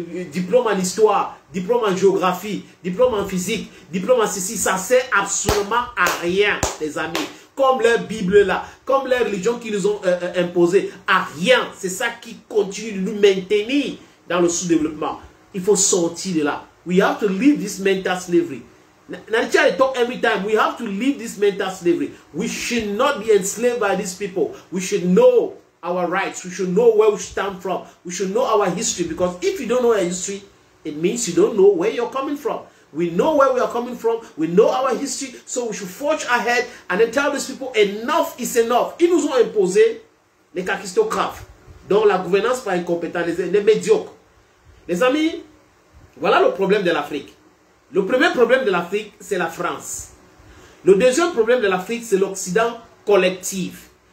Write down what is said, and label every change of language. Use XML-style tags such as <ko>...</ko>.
<fr>Diplôme en histoire, diplôme en géographie, diplôme en physique, diplôme en ceci, ça sert absolument à rien, les amis. Comme leur Bible là, comme leur religion qu'ils nous ont imposée, à rien. C'est ça qui continue de nous maintenir dans le sous-développement. Il faut sortir de là.</fr> <en>We have to leave this mental slavery. Nature is talking every time. We have to leave this mental slavery. We should not be enslaved by these people. We should know our rights. We should know where we stand from. We should know our history. Because if you don't know our history, it means you don't know where you're coming from. We know where we are coming from. We know our history. So we should forge ahead and then tell these people enough is enough.</en> <fr>Ils nous ont imposé les cacistocraves. Donc la gouvernance par incompétence, les médiocres. Les amis, voilà le problème de l'Afrique. Le premier problème de l'Afrique, c'est la France. Le deuxième problème de l'Afrique, c'est l'Occident collectif.</fr>